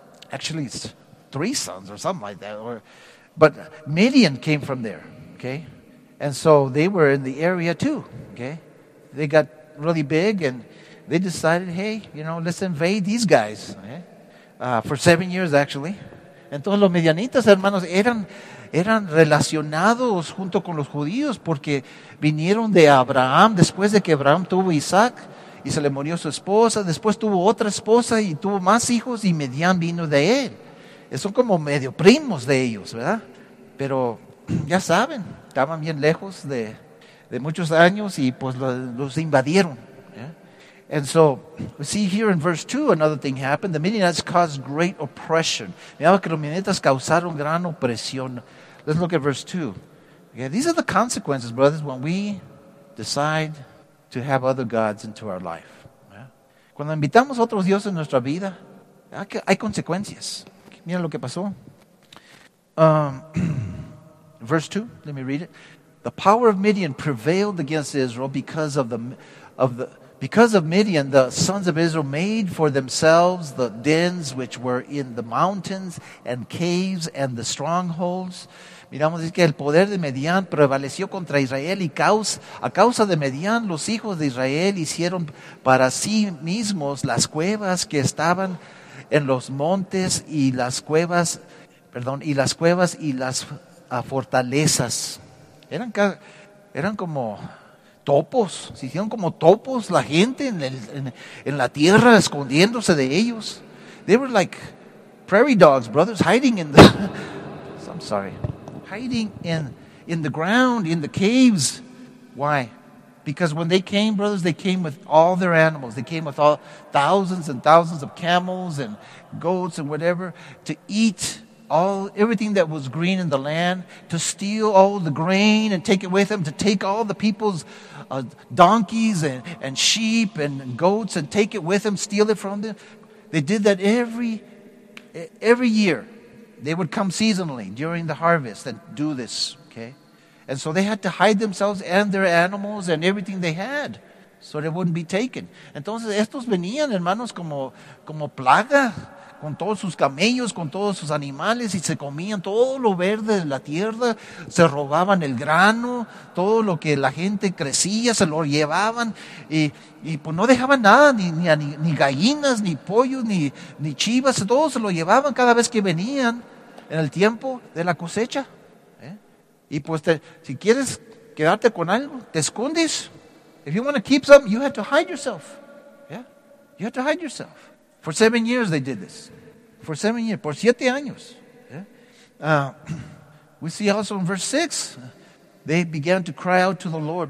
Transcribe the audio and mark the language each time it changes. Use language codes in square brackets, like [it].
[en] Actually, it's three sons or something like that. But Midian came from there. Okay. And so they were in the area too, okay? They got really big and they decided, hey, you know, let's invade these guys, okay? For 7 years, actually. [es] Entonces los medianitas, hermanos, eran relacionados junto con los judíos porque vinieron de Abraham después de que Abraham tuvo Isaac y se le murió su esposa. Después tuvo otra esposa y tuvo más hijos y Midian vino de él. Son como medio primos de ellos, ¿verdad? Pero ya saben, estaban bien lejos de muchos años y pues los invadieron. [en] Yeah? And so, we see here in verse 2, another thing happened. The Midianites caused great oppression. [es] Miraba que los Midianitas causaron gran opresión. [en] Let's look at verse 2. Okay, these are the consequences, brothers, when we decide to have other gods into our life. Yeah? [es] Cuando invitamos a otros dioses en nuestra vida, hay consecuencias. Mira lo que pasó. [en] Verse 2, let me read it. The power of Midian prevailed against Israel because of Midian, the sons of Israel made for themselves the dens which were in the mountains and caves and the strongholds. Miramos, dice que el poder de Midian prevaleció contra Israel y a causa de Midian, los hijos de Israel hicieron para sí mismos las cuevas que estaban en los montes y las cuevas y las fortalezas. Eran como topos, se hicieron como topos la gente en la tierra escondiéndose de ellos. They were like prairie dogs, brothers, hiding in the I'm sorry. Hiding in the ground, in the caves. Why? Because when they came, brothers, they came with all their animals. They came with all thousands and thousands of camels and goats and whatever to eat everything that was green in the land, to steal all the grain and take it with them, to take all the people's donkeys and sheep and goats and take it with them, steal it from them. They did that every year. They would come seasonally during the harvest and do this, okay? And so they had to hide themselves and their animals and everything they had so they wouldn't be taken. [es] Entonces estos venían, hermanos, como plaga, con todos sus camellos, con todos sus animales, y se comían todo lo verde de la tierra, se robaban el grano, todo lo que la gente crecía, se lo llevaban, y pues no dejaban nada, ni gallinas, ni pollos, ni chivas, todo se lo llevaban cada vez que venían en el tiempo de la cosecha. ¿Eh? Y pues si quieres quedarte con algo, te escondes. [en] If you want to keep something, you have to hide yourself. Yeah? You have to hide yourself. For 7 years they did this. For 7 years. [es] Por 7 años. [en] Yeah? We see also in verse 6, they began to cry out to the Lord.